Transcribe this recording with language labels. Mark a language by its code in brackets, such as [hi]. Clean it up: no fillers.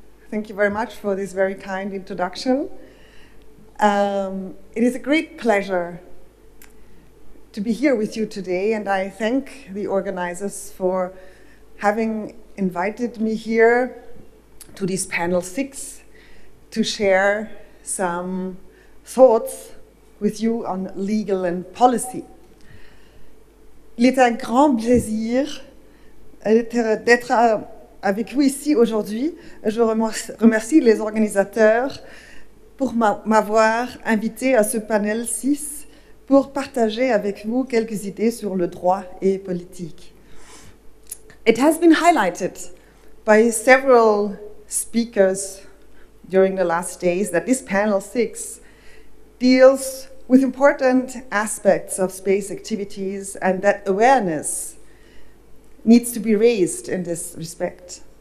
[en] Thank you very much for this very kind introduction. It is a great pleasure to be here with you today, and I thank the organizers for having invited me here to this panel 6 to share some thoughts with you on legal and policy. [fr] Il est un grand plaisir d'être avec vous ici aujourd'hui. Je remercie les organisateurs pour m'avoir invité à ce panel 6 pour partager avec vous quelques idées sur le droit et politique. [en] It has been highlighted by several speakers during the last days that this panel 6 deals with important aspects of space activities, and that awareness needs to be raised in this respect.